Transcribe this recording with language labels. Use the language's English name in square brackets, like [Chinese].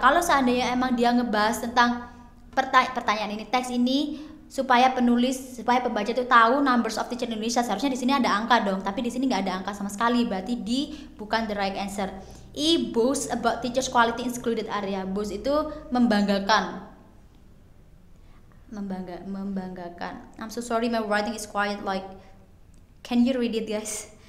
[Indonesian] Kalau seandainya emang dia ngebahas tentang pertanyaan ini, teks ini, supaya penulis, supaya pembaca itu tahu [English] numbers of teachers Indonesia, [Indonesian] seharusnya di sini ada angka dong, tapi di sini nggak ada angka sama sekali, berarti D bukan [English] the right answer. E, boast about teachers quality in excluded area. [Indonesian] Boast itu membanggakan. [English] I'm so sorry, my writing is quiet, like can you read it guys?